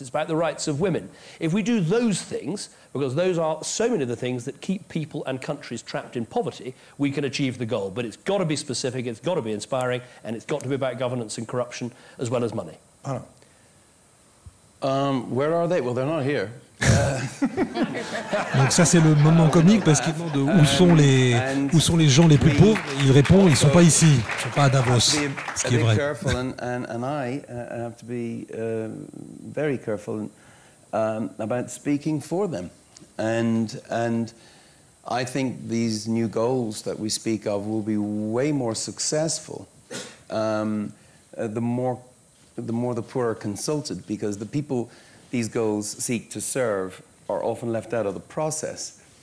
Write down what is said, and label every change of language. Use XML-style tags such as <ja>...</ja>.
<en>It's about the rights of women. If we do those things, because those are so many of the things that keep people and countries trapped in poverty, we can achieve the goal. But it's got to be specific, it's got to be inspiring, and it's got to be about governance and corruption as well as money. Where are they? Well, they're not here.</en> <fr>Donc ça c'est le moment comique parce qu'il demande où sont les gens les plus pauvres. Il répond, ils sont pas ici, ils sont pas à Davos, ce qui est vrai.</fr> <en>And I have to be very careful about speaking for them. And I think these new goals that we speak of will be way more successful. The more the poor are consulted, because the people these goals seek to serve are often left out of the process.</en>